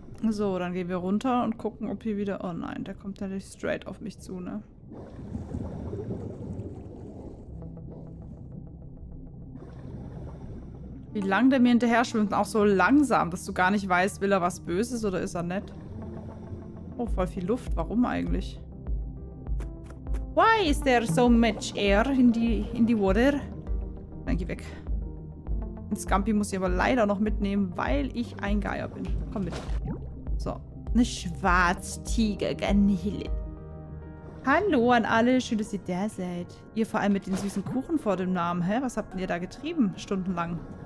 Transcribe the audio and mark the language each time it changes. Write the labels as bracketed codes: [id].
[de] So, dann gehen wir runter und gucken, ob hier wieder... Oh nein, der kommt natürlich straight auf mich zu, ne? Wie lang der mir hinterher schwimmt, auch so langsam, dass du gar nicht weißt, will er was Böses oder ist er nett? Oh, voll viel Luft. Warum eigentlich? [en] Why is there so much air in the water? [de] Nein, geh weg. Den Scampi muss ich aber leider noch mitnehmen, weil ich ein Geier bin. Komm mit. So, eine Schwarztiger-Garnele. Hallo an alle, schön, dass ihr da seid. Ihr vor allem mit den süßen Kuchen vor dem Namen, hä? Was habt ihr da getrieben, stundenlang?